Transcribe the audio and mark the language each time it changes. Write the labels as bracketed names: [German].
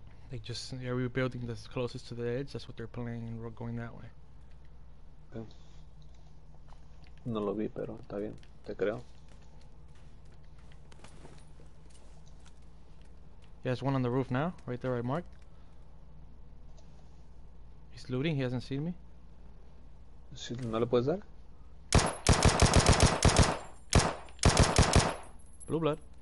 [English] They just every building that's closest to the edge. That's what they're playing, and we're going that way. [Spanish] No lo vi, pero está bien, te creo. [English] Yeah, there's one on the roof now, right there, right Mark. He's looting, he hasn't seen me. [Spanish] ¿Sí, no le puedes dar? [English] Blue blood.